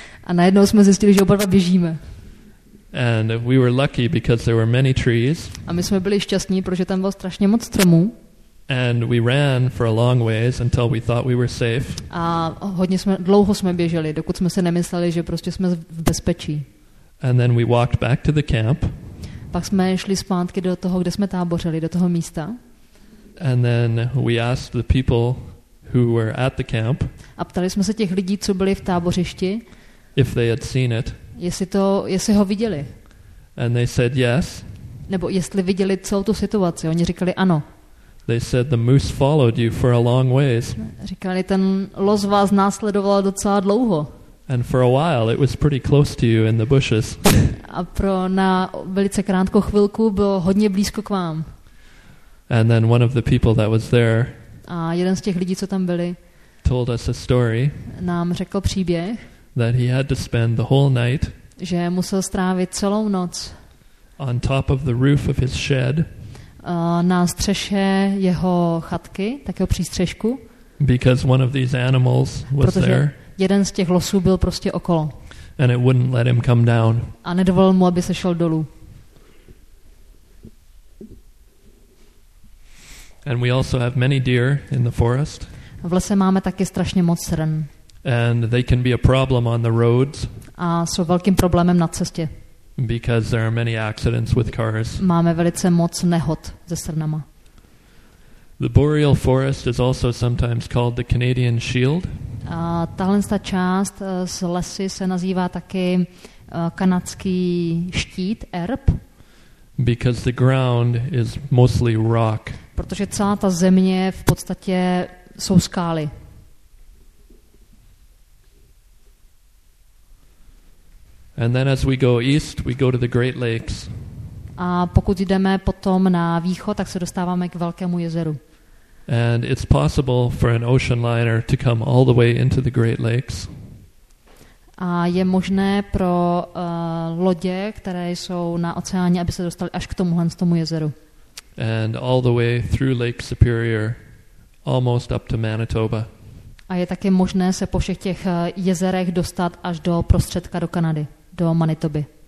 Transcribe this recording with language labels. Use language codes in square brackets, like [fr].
[cs] A najednou jsme zjistili, že oba dva běžíme. [en] And we were lucky because there were many trees. [cs] A my jsme byli šťastní, protože tam bylo strašně moc stromů. [en] And we ran for a long ways until we thought we were safe. [cs] A hodně jsme dlouho jsme běželi, dokud jsme se nemysleli, že prostě jsme v bezpečí. [en] And then we walked back to the camp. [cs] Pak jsme šli zpátky do toho, kde jsme tábořili, do toho místa. [en] And then we asked the people who were at the camp. [cs] A ptali jsme se těch lidí, co byli v tábořišti. [en] If they had seen it. [cs] Jestli ho viděli. [en] And they said yes. [cs] Nebo jestli viděli celou tu situaci. Oni říkali ano. [en] They said the moose followed you for a long ways. [cs] Říkali, ten los vás následoval docela dlouho. [en] And for a while it was pretty close to you in the bushes. [cs] A pro na velice krátkou chvilku bylo hodně blízko k vám. [en] And then one of the people that was there. [cs] A jeden z těch lidí, co tam byli. [en] Told us a story. [cs] Nám řekl příběh. [en] That he had to spend the whole night. [cs] Že musel strávit celou noc. [en] On top of the roof of his shed. [cs] Na střeše jeho chatky, takého přístřešku. [en] Because one of these animals was there. [cs] Protože jeden z těch losů byl prostě okolo. [en] And it wouldn't let him come down. [cs] A nedovolil mu, aby se šel dolů. [en] And we also have many deer in the forest. [cs] V lese máme taky strašně moc srn. [en] And they can be a problem on the roads. [cs] A jsou velkým problémem na cestě. [en] Because there are many accidents with cars. [cs] Máme velice moc nehod se srnama. [en] The boreal forest is also sometimes called the Canadian Shield. [cs] Tahle ta část z lesy se nazývá taky kanadský štít, erb. [en] Because the ground is mostly rock. [cs] Protože celá ta země v podstatě jsou skály. [en] And then as we go east, we go to the Great Lakes. [cs] A pokud jdeme potom na východ, tak se dostáváme k velkému jezeru. [en] And it's possible for an ocean liner to come all the way into the Great Lakes. [cs] A je možné pro lodě, které jsou na oceáně, aby se dostali až k tomuhle z tomu jezeru. [en] And all the way through Lake Superior, almost up to Manitoba. [cs] A je také možné se po všech těch jezerech dostat až do prostředka do Kanady, do Manitoby.